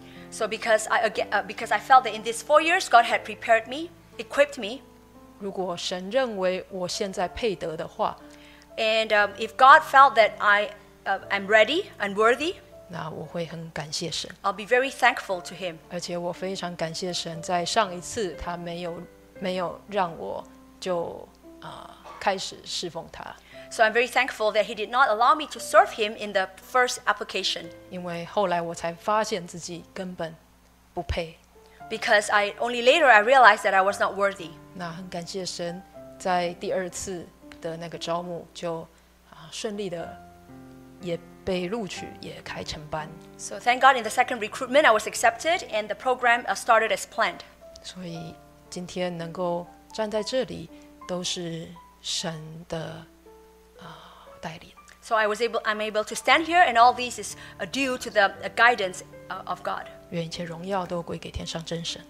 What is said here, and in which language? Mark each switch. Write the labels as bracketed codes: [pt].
[en] So because I felt that in these 4 years God had prepared me, equipped me. [zh] 如果神认为我现在配得的话， [en] And if God felt that I am ready and worthy, [zh] 那我会很感谢神。 [en] I'll be very thankful to him. [zh] 而且我非常感谢神，在上一次他没有让我就开始侍奉他。 [en] So I'm very thankful that he did not allow me to serve him in the first application. [zh] 因为后来我才发现自己根本不配。 [en] Because I only later I realized that I was not worthy. [zh] 那很感谢神，在第二次的那个招募就顺利的也被录取，也开成班。 [en] So thank God in the second recruitment I was accepted and the program started as planned. [zh] 所以今天能够站在这里，都是神的带领。 [en] So I'm able to stand here, and all this is due to the guidance of God. [zh] 愿一切荣耀都归给天上真神。